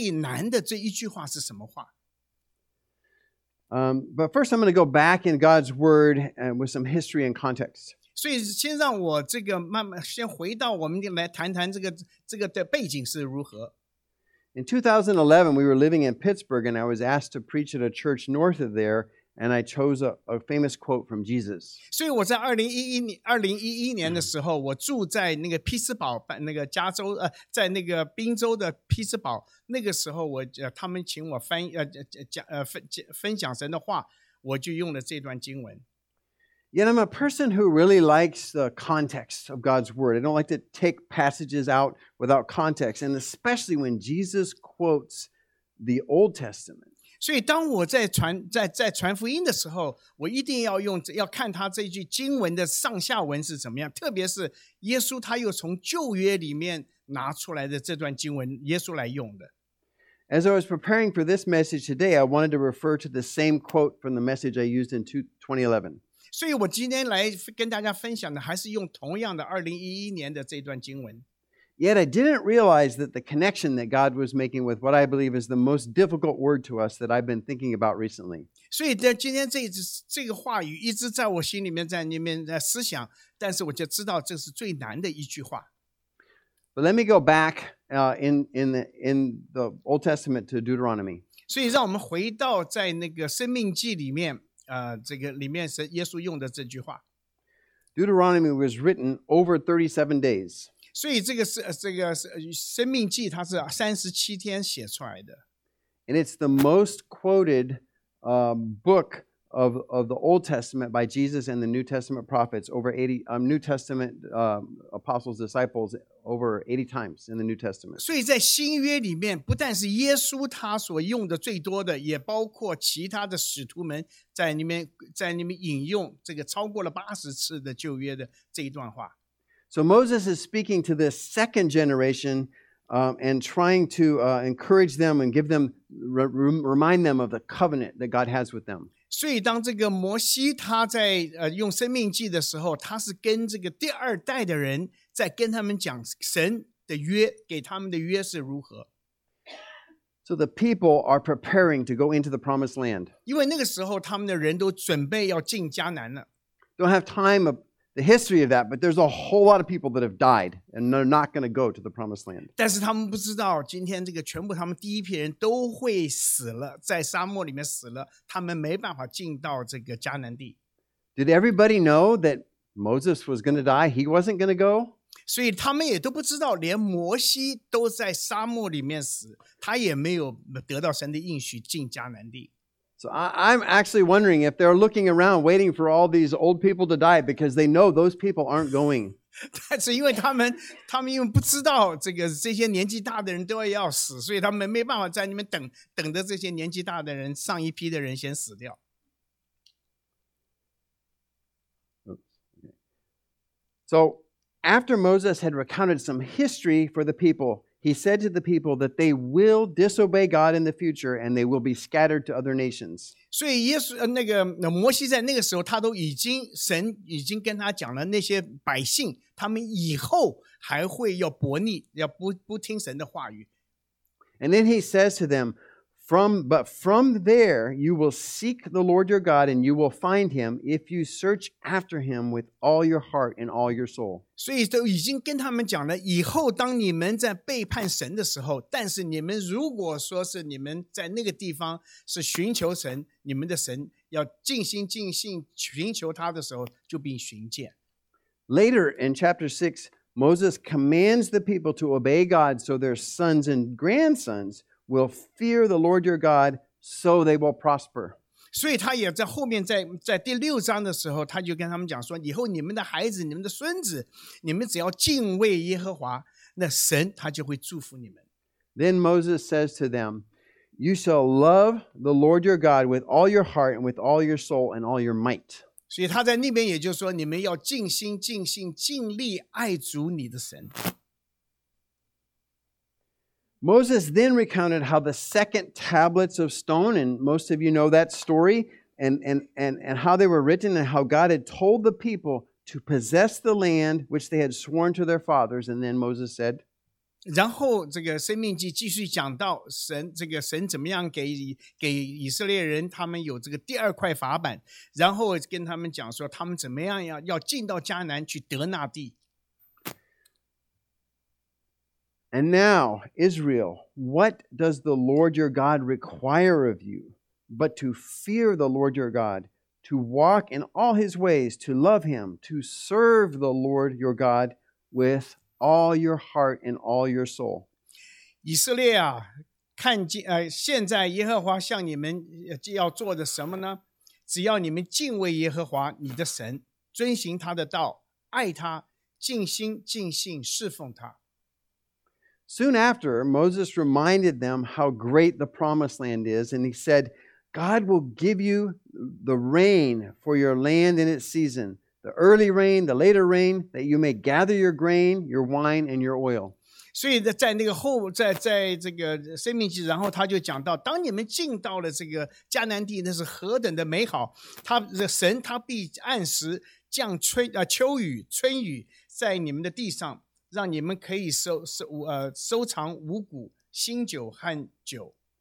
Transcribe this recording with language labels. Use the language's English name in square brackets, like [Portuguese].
[Chinese] 所以我最近常常在思想，在圣经里面最难的这一句话是什么话？ [English] But first, I'm going to go back in God's Word and with some history and context. [Chinese] 所以先让我这个慢慢先回到我们来谈谈这个背景是如何。 [English] In 2011, we were living in Pittsburgh, and I was asked to preach at a church north of there, and I chose a famous quote from Jesus. [Chinese] 所以我在2011年的时候，我住在那个宾州的匹兹堡，那个时候他们请我分享神的话，我就用了这段经文。 [English] Yet I'm a person who really likes the context of God's word. I don't like to take passages out without context, and especially when Jesus quotes the Old Testament. [Chinese] 所以当我在 传福音的时候，我一定要用要看他这句经文的上下文是怎么样，特别是耶稣他又从旧约里面拿出来的这段经文，耶稣来用的。 [English] As I was preparing for this message today, I wanted to refer to the same quote from the message I used in 2011. [Chinese] 所以我今天来跟大家分享的还是用同样的2011年的这段经文。 [English] Yet I didn't realize that the connection that God was making with what I believe is the most difficult word to us that I've been thinking about recently. [Chinese] 所以今天这个话语一直在我心里面在里面在思想，但是我就知道这是最难的一句话。 [English] But let me go back in the Old Testament to Deuteronomy. [Chinese] 所以让我们回到在那个生命记里面，这个里面是耶稣用的这句话。 [English] Deuteronomy was written over 37 days. [Chinese] 所以这个生命记它是37天写出来的。 [English] And it's the most quoted book of the Old Testament by Jesus and the New Testament prophets over 80, New Testament apostles, disciples over 80 times in the New Testament. [Chinese] 所以在新约里面不但是耶稣他所用的最多的，也包括其他的使徒们在里面引用这个超过了80次的旧约的这一段话。 [English] So Moses is speaking to this second generation and trying to encourage them and give them, remind them of the covenant that God has with them. [Chinese] 所以当这个摩西他在用生命记的时候，他是跟这个第二代的人在跟他们讲神的约，给他们的约是如何。 [English] So the people are preparing to go into the promised land. [Chinese] 因为那个时候他们的人都准备要进迦南了。 [English] Don't have time of,The history of that, but there's a whole lot of people that have died and they're not going to go to the promised land. [Chinese] 但是他们不知道今天这个全部他们第一批人都会死了，在沙漠里面死了，他们没办法进到这个迦南地。 [English] Did everybody know that Moses was going to die? He wasn't going to go? [Chinese] 所以他们也都不知道，连摩西都在沙漠里面死，他也没有得到神的应许进迦南地。 [English] So I'm actually wondering if they're looking around waiting for all these old people to die because they know those people aren't going. [Chinese] 但是因为他们因为不知道这些年纪大的人都要死，所以他们没办法在那边等着这些年纪大的人上一批的人先死掉。 [English] So after Moses had recounted some history for the people,He said to the people that they will disobey God in the future and they will be scattered to other nations. [Chinese] 所以耶稣那个摩西在那个时候他都已经神已经跟他讲了那些百姓他们以后还会要悖逆要不听神的话语。 [English] And then he says to them, from there you will seek the Lord your God and you will find him if you search after him with all your heart and all your soul. [Chinese] 所以都已经跟他们讲了，以后当你们在背叛神的时候，但是你们如果说是你们在那个地方是寻求神，你们的神要尽心尽性寻求他的时候，就必寻见。 [English] Later in chapter 6, Moses commands the people to obey God so their sons and grandsons will fear the Lord your God, so they will prosper. [Chinese] 所以他也在后面在第六章的时候，他就跟他们讲说，以后你们的孩子，你们的孙子，你们只要敬畏耶和华，那神他就会祝福你们。 [English] Then Moses says to them, you shall love the Lord your God with all your heart and with all your soul and all your might. [Chinese] 所以他在那边也就说，你们要尽心尽性尽力爱主你的神。 [English] Moses then recounted how the second tablets of stone, and most of you know that story, and how they were written, and how God had told the people to possess the land which they had sworn to their fathers. And then Moses said, [Chinese] 然后这个生命记继续讲到神，这个神怎么样给以色列人他们有这个第二块法板，然后跟他们讲说他们怎么样要进到迦南去得那地。 [English] And now, Israel, what does the Lord your God require of you but to fear the Lord your God, to walk in all his ways, to love him, to serve the Lord your God with all your heart and all your soul? [Chinese] 以色列啊，看见现在耶和华向你们要做的什么呢？只要你们敬畏耶和华你的神，遵行他的道，爱他，尽心尽性侍奉他。 [English] Soon after, Moses reminded them how great the promised land is, and he said, God will give you the rain for your land in its season, the early rain, the later rain, that you may gather your grain, your wine, and your oil. [Chinese] 所以在那个后，在这个申命记，然后他就讲到，当你们进到了这个迦南地，那是何等的美好！他神必按时降秋雨，春雨在你们的地上，让你们可以收藏五谷、新酒和酒。